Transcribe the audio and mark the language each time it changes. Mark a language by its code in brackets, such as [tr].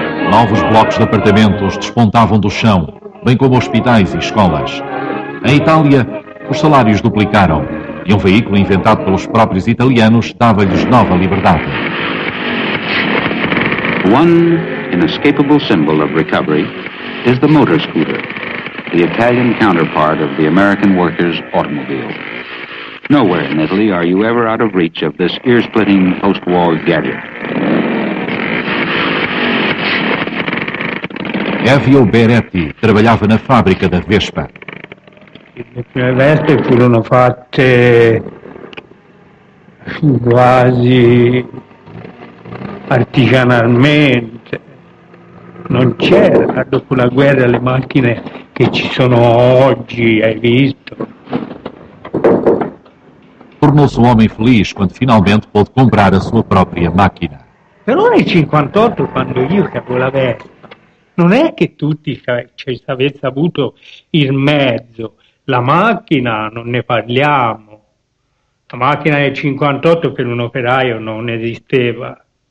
[pt] Novos blocos de apartamentos despontavam do chão, bem como hospitais e escolas. Em Itália, os salários duplicaram e um veículo inventado pelos próprios italianos dava-lhes nova liberdade. [en] One inescapable symbol of recovery is the motor scooter. The Italian counterpart of the American worker's automobile. Nowhere in Italy are you ever out of reach of this ear-splitting post-war gadget. [pt] Evio Beretti trabalhava na fábrica da Vespa. [it] Le prime Vespe furono fatte quasi artigianalmente. Non c'era, dopo la guerra, le macchine che ci sono oggi, hai visto? [pt] Tornou-se um homem feliz quando finalmente pôde comprar a sua própria macchina. [it] Però nel 58, quando io avevo la Vespa, non è che tutti avesse avuto il mezzo. La macchina, non ne parliamo. La macchina del 58 per un operaio non esisteva.